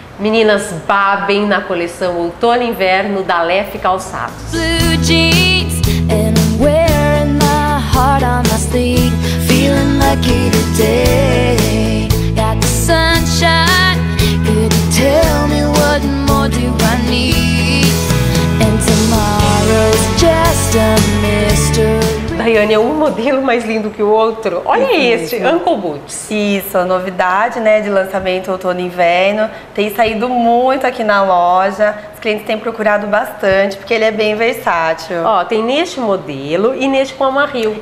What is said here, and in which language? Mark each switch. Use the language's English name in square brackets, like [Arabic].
[Portuguese] meninas babem na coleção Outono e Inverno da Lef Calçados. [English] Blue jeans and I'm wearing my heart on my sleeve, feeling lucky today. Got the sunshine, could you tell me what more do I need? And tomorrow's just a mystery. [Portuguese] Daiane, é um modelo mais lindo que o outro. Olha esse, Ankle Boots. Isso, a novidade, né, de lançamento outono e inverno. Tem saído muito aqui na loja. Os clientes têm procurado bastante, porque ele é bem versátil. Ó, tem neste modelo e neste com amarril.